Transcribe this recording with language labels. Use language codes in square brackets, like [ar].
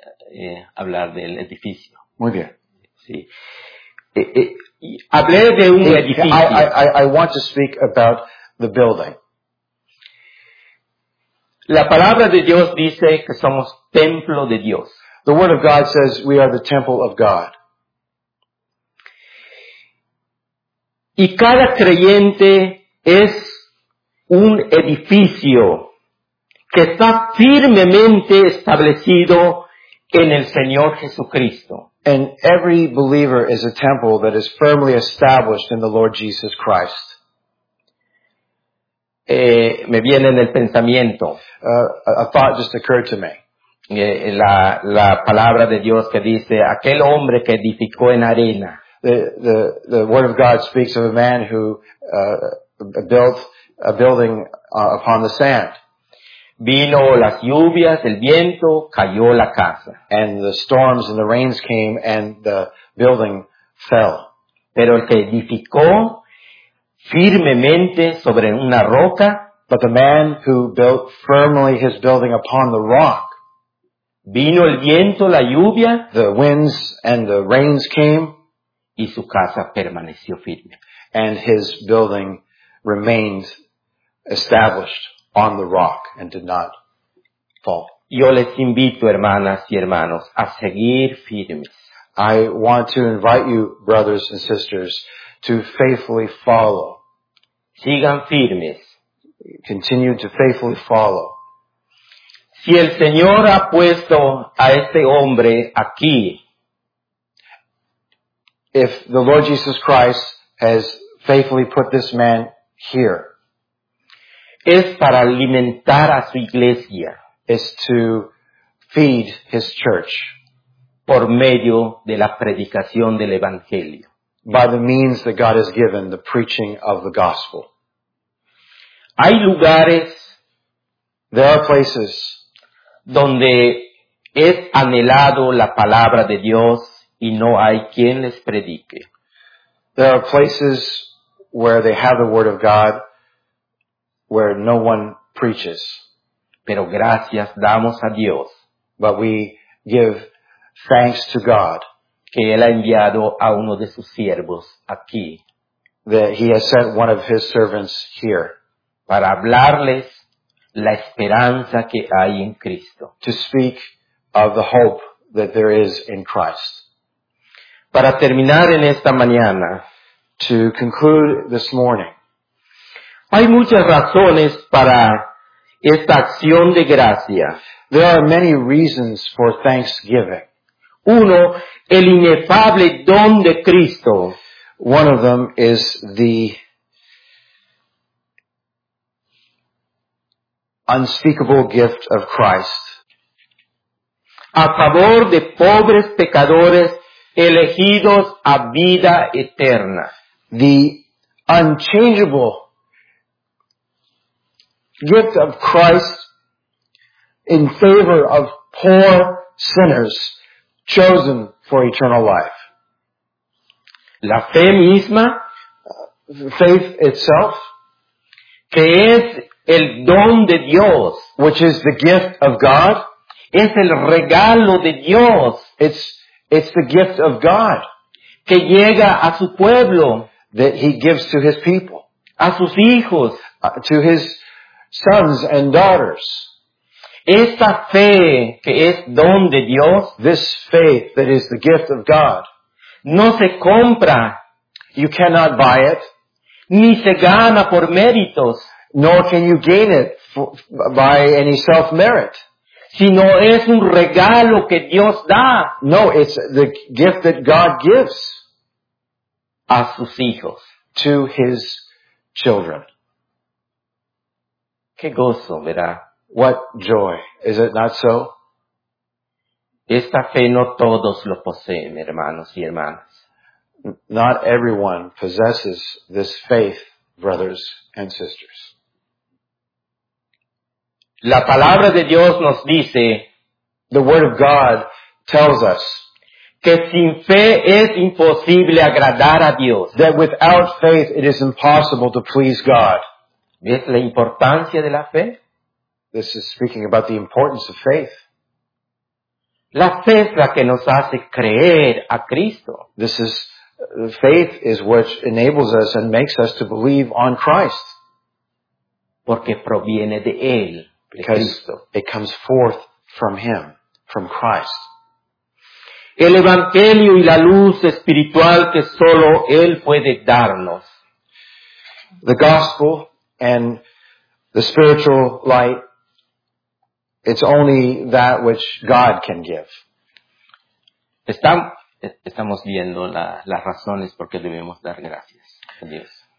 [es] Quiero hablar del edificio. Muy bien. Sí. Hablé de un edificio. [en] I want to speak about the building. [es] La palabra de Dios dice que somos templo de Dios. [en] The word of God says we are the temple of God. [es] Y cada creyente es un edificio que está firmemente establecido en el Señor Jesucristo. [en] And every believer is a temple that is firmly established in the Lord Jesus Christ. [es] Me viene en el pensamiento. [en] A thought just occurred to me. [es] La palabra de Dios que dice, aquel hombre que edificó en arena. [en] The word of God speaks of a man who built a building upon the sand. [es] Vino las lluvias, el viento, cayó la casa. [en] And the storms and the rains came and the building fell. [es] Pero el que edificó firmemente sobre una roca. [en] But the man who built firmly his building upon the rock. [es] Vino el viento, la lluvia. [en] The winds and the rains came. [es] Y su casa permaneció firme. [en] And his building remained established on the rock and did not fall. [es] Yo les invito, hermanas y hermanos, a seguir firmes. [en] I want to invite you, brothers and sisters, to faithfully follow. [es] Sigan firmes. [en] Continue to faithfully follow. [es] Si el Señor ha puesto a este hombre aquí, [en] if the Lord Jesus Christ has faithfully put this man here, [es] es para alimentar a su iglesia. [en] Is to feed his church. [es] Por medio de la predicación del evangelio. [en] By the means that God has given, the preaching of the gospel. [es] Hay lugares. [en] There are places. [es] Donde es anhelado la palabra de Dios y no hay quien les predique. [en] There are places where they have the word of God, where no one preaches. [es] Pero gracias damos a Dios. [en] But we give thanks to God. [es] Que él ha enviado a uno de sus siervos aquí. [en] That he has sent one of his servants here. [es] Para hablarles la esperanza que hay en Cristo. [en] To speak of the hope that there is in Christ. [es] Para terminar en esta mañana. [en] To conclude this morning. [es] Hay muchas razones para esta acción de gracia. [en] There are many reasons for thanksgiving. [es] Uno, el inefable don de Cristo. [en] One of them is the unspeakable gift of Christ. [es] A favor de pobres pecadores elegidos a vida eterna. [en] The unchangeable gift of Christ in favor of poor sinners chosen for eternal life. [es] La fe misma, [en] faith itself, [es] que es el don de Dios, [en] which is the gift of God, [es] es el regalo de Dios. [en] It's the gift of God [es] que llega a su pueblo, [en] that he gives to his people, [es] a sus hijos, [en] to his sons and daughters. [es] Esta fe que es don de Dios, [en] this faith that is the gift of God, [es] no se compra. [en] You cannot buy it. [es] Ni se gana por méritos. [en] Nor can you gain it by any self-merit. [es] Sino es un regalo que Dios da. [en] No, it's the gift that God gives. [es] A sus hijos. [en] To his children. [es] Qué gozo, ¿verdad? [en] What joy. Is it not so? [es] Esta fe no todos lo poseen, hermanos y hermanas. [en] not everyone possesses this faith, brothers and sisters. [es] La palabra de Dios nos dice, [en] the word of God tells us, [es] que sin fe es imposible agradar a Dios. [en] That without faith it is impossible to please God. [es] ¿Ves la importancia de la fe? [en] This is speaking about the importance of faith. [es] La fe es la que nos hace creer a Cristo. [en] This is, faith is what enables us and makes us to believe on Christ. [es] Porque proviene de Él. [en] Because it comes forth from Him, from Christ. [es] El Evangelio y la luz espiritual que solo Él puede darnos. [en] The gospel and the spiritual light, it's only that which God can give. [es] Estamos viendo las razones por qué debemos dar gracias a Dios.